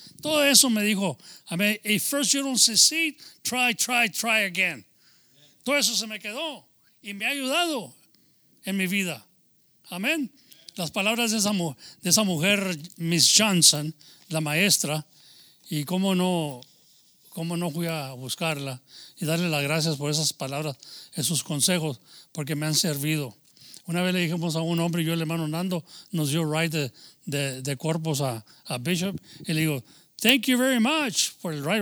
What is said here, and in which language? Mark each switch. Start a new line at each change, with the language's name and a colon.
Spanish: Todo eso me dijo,
English: I mean, if first you don't succeed, try again.
Spanish: Todo eso se me quedó y me ha ayudado en mi vida. Amén. Las palabras de esa mujer, Miss Johnson, la maestra, y cómo no fui a buscarla y darle las gracias por esas palabras, esos consejos, porque me han servido. Una vez le dijimos a un hombre, yo el hermano Nando, nos dio ride de cuerpos a Bishop. Y le digo,
English: thank you very much for the ride.